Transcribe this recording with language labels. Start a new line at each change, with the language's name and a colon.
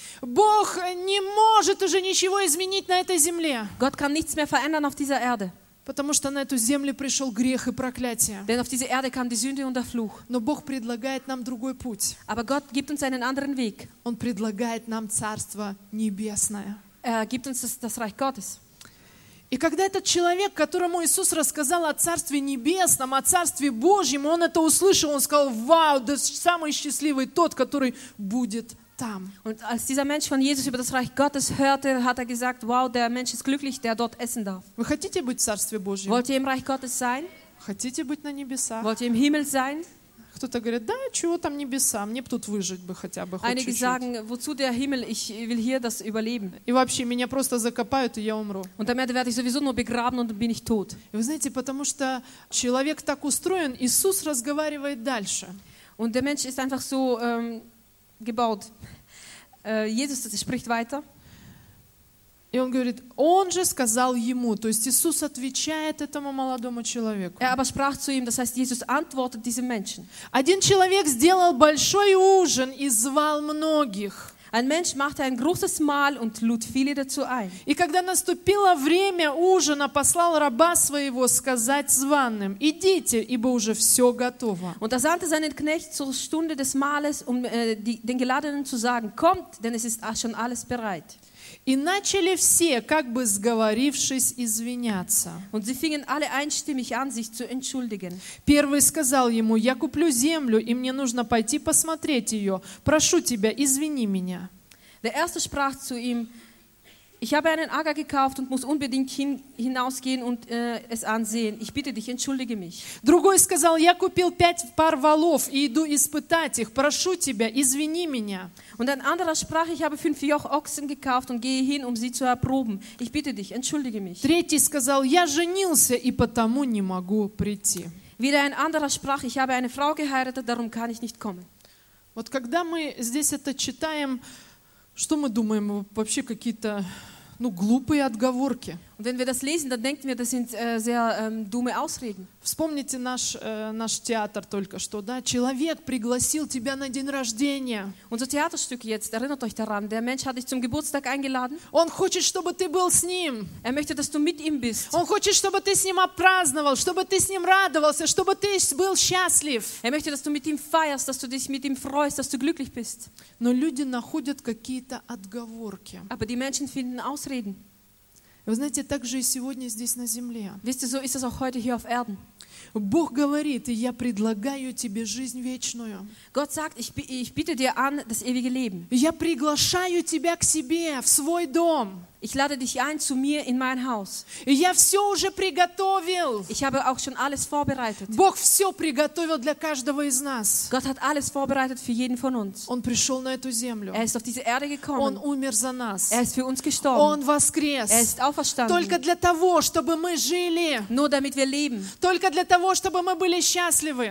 Russian: Бог не может уже ничего изменить на этой земле.
German: Gott kann nichts mehr verändern auf dieser Erde.
Russian: Потому что на эту землю пришел грех и проклятие.
German: Denn auf diese Erde kam die Sünde und der Fluch.
Russian: Но Бог предлагает нам другой путь.
German: Aber Gott gibt uns einen anderen Weg.
Russian: Он предлагает нам Царство Небесное.
German: Gibt uns das Reich Gottes.
Russian: И когда этот человек, которому Иисус рассказал о Царстве Небесном, о Царстве Божьем, он это услышал, он сказал, вау, да самый счастливый тот, который будет там.
German: Und als dieser Mensch von Jesus über das Reich Gottes hörte, hat er gesagt, wow, der Mensch ist glücklich, der dort essen darf.
Russian: Вы хотите быть в Царстве Божьем?
German: Wollt ihr im Reich Gottes sein?
Russian: Хотите быть на небесах?
German: Wollt ihr im Himmel sein?
Russian: Кто-то говорит, да, чего там небеса, мне бы тут выжить бы хотя бы.
German: Einige
Russian: чуть-чуть.
German: Sagen, wozu der Himmel, ich will hier das überleben.
Russian: И вообще, меня просто закопают, и я умру.
German: Und damit werde ich sowieso nur begraben und bin ich tot.
Russian: И вы знаете, потому что человек так устроен, Иисус разговаривает дальше.
German: Und der Mensch ist einfach so... gebaut. Jesus spricht weiter.
Russian: И он говорит, он же сказал ему, то есть Иисус отвечает этому молодому человеку.
German: Er aber sprach zu ihm, das heißt, Jesus antwortet diesem Menschen.
Russian: Один человек сделал большой ужин и звал многих.
German: Ein Mensch machte ein großes Mahl und lud viele dazu ein.
Russian: И когда наступило время ужина, послал раба своего сказать званым, идите, ибо уже все готово.
German: Und er sandte seinen Knecht zur Stunde des Mahles, um den Geladenen zu sagen, kommt, denn es ist schon alles bereit.
Russian: И начали все, как бы сговорившись, извиняться.
German: Und sie fingen alle einstimmig an, sich zu entschuldigen.
Russian: Первый сказал ему, я куплю землю, и мне нужно пойти посмотреть ее. Прошу тебя, извини меня.
German: Der erste sprach zu ihm, ich habe einen Acker gekauft und muss unbedingt hinausgehen und es ansehen. Ich bitte dich, entschuldige mich.
Russian: Другой сказал, я купил 5 пар валов и иду испытать их. Прошу тебя, извини меня.
German: Und ein anderer sprach, ich habe 5 Joch Ochsen gekauft und gehe hin, um sie zu erproben. Ich bitte dich, entschuldige mich.
Russian: Третий сказал, я женился и потому не могу прийти.
German: Wieder ein anderer sprach, ich habe eine Frau geheiratet, darum kann ich nicht kommen.
Russian: Вот когда мы здесь это читаем, что мы думаем? Вообще какие-то, ну, глупые отговорки.
German: Wenn wir das lesen, dann denken wir, das sind sehr dumme Ausreden.
Russian: Вспомните наш театр только что, да? Человек пригласил тебя на день рождения.
German: Unser Theaterstück jetzt, erinnert euch daran, der Mensch hat dich zum Geburtstag eingeladen.
Russian: Он хочет, чтобы ты был с ним.
German: Er möchte, dass du mit ihm bist.
Russian: Он хочет, чтобы ты с ним отпраздновал, чтобы ты с ним радовался, чтобы ты был счастлив.
German: Er möchte, dass du mit ihm feierst, dass du dich mit ihm freust, dass du glücklich bist.
Russian: Но люди находят какие-то отговорки.
German: Aber die Menschen finden Ausreden.
Russian: Вы знаете, так же и сегодня здесь на земле.
German: Wisst ihr, so ist es auch heute hier auf Erden.
Russian: Бог говорит, и я предлагаю тебе жизнь вечную.
German: Gott sagt, ich bitte dir an das ewige Leben.
Russian: Я приглашаю тебя к себе, в свой дом.
German: Ich lade dich ein zu mir in mein Haus.
Russian: Я все уже приготовил.
German: Ich habe auch schon alles vorbereitet.
Russian: Бог все приготовил для каждого из нас.
German: Gott hat alles vorbereitet für jeden von uns.
Russian: Он пришел на эту землю.
German: Er ist auf diese Erde gekommen.
Russian: Он умер за нас.
German: Er ist für uns gestorben.
Russian: Он воскрес.
German: Er ist auferstanden.
Russian: Только для того, чтобы мы жили.
German: Nur damit wir leben.
Russian: Только для того, чтобы мы были счастливы.